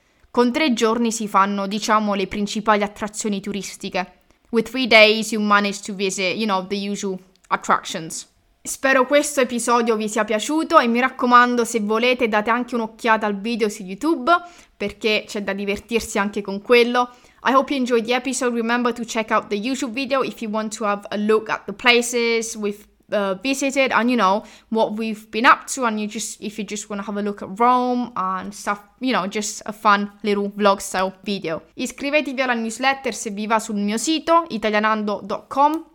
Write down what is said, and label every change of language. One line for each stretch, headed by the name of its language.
Italian: Con 3 giorni si fanno, diciamo, le principali attrazioni turistiche.
English: With 3 days you manage to visit, you know, the usual attractions.
Italian: Spero questo episodio vi sia piaciuto e mi raccomando, se volete, date anche un'occhiata al video su YouTube perché c'è da divertirsi anche con quello.
English: I hope you enjoyed the episode. Remember to check out the YouTube video if you want to have a look at the places we've visited and, you know, what we've been up to, and if you just want to have a look at Rome and stuff, you know, just a fun little vlog style video.
Italian: Iscrivetevi alla newsletter se vi va sul mio sito italianando.com.